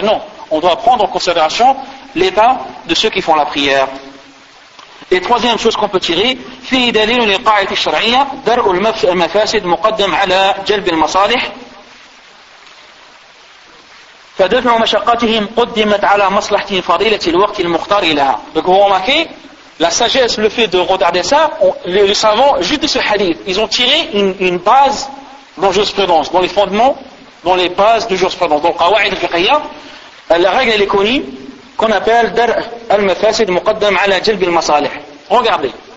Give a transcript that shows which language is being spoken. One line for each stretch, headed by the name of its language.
French: Non, on doit prendre en considération l'état de ceux qui font la prière. Et troisième chose qu'on peut tirer,
Arabic: فِي دَلِيلُ لِقَاعِدِ الشَّرْعِيَّ دَرْءُ الْمَفَاسِدِ مُقَدَّمْ عَلَى جَلْبِ الْمَصَالِحِ فَدَفْعُ مَشَقَّتِهِمْ قُدِّمَتْ عَلَى مَصْلَحْتِ فَضِيلَةِ الْوَقْتِ الْمُخْتَارِ لَهَا.
French: Donc vous remarquez, la sagesse, le fait de regarder ça, les savants, juste de ce hadith, ils ont tiré une base dans jurisprudence, dans les fondements, dans les bases de jurisprudence. Donc,
Arabic: قَوَعِدْ الْفِقْهِيَّة,
French: la règle, elle est connue, qu'on appelle
Arabic: دَرْء الْمَفَاسِدْ مُقَدَّمْ عَلَى جَلْبِ الْمَصَالِحِ.
French: Regardez.